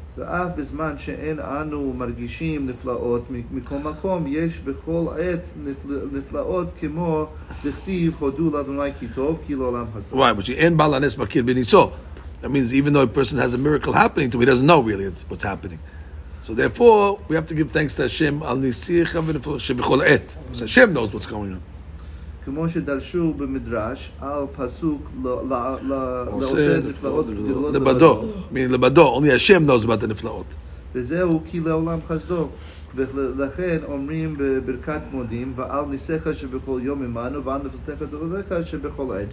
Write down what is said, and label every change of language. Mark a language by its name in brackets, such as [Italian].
[Hebrew] ואף בזמן שאין אנו מרגישים נפלאות מכל מקום, יש בכל עת נפלאות כמו דכתיב, הודו לאדוני כי טוב, כי לעולם הזו. [English] Right, which [Hebrew] אין בעל הנס מכיר בניסו. [English] That means even though a person has a miracle happening to him, he doesn't know really what's happening. So therefore, we have to give thanks to Hashem [Hebrew] על נסיך ונפלאות שבכל עת. [English] Hashem knows what's going on. [Hebrew] כמו שדרשו במדרש על פסוק לעושה נפלאות לבדו, מין לבדו, [English] only השם knows about the נפלאות. [Hebrew] וזהו כי לעולם חסדו, ולכן אומרים בברכת מודים, ועל ניסיך שבכל יום עמנו, ועל נפלאותיך ותודותיך שבכל עת.